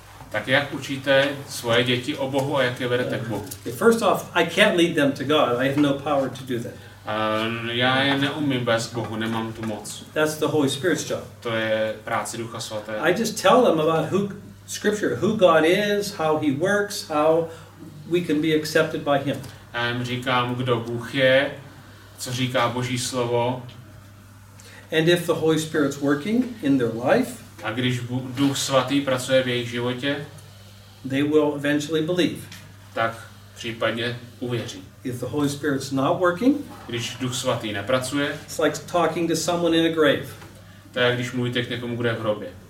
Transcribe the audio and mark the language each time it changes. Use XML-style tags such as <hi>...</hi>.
<cs>Tak jak učíte svoje děti o Bohu a jak je vedete k Bohu?</cs> <en>First off, I can't lead them to God. I have no power to do that.</en> <cs>Já je neumím bez Bohu, nemám tu moc.</cs> <en>That's the Holy Spirit's job.</en> <cs>To je práce Ducha Svatého.</cs> <en>I just tell them about who scripture, who God is, how he works, how we can be accepted by him.</en> <cs>Já jim říkám, kdo Bůh je, co říká Boží slovo.</cs> <en>And if the Holy Spirit's working in their life,</en> <cs>a když Duch Svatý pracuje v jejich životě,</cs> <en>they will eventually believe.</en> <cs>Tak případně uvěří.</cs> <en>If the Holy Spirit's not working,</en> <cs>když Duch Svatý nepracuje,</cs> <en>it's like talking to someone in a grave.</en> <cs>To je, když mluvíte k někomu, kdo je v hrobě.</cs>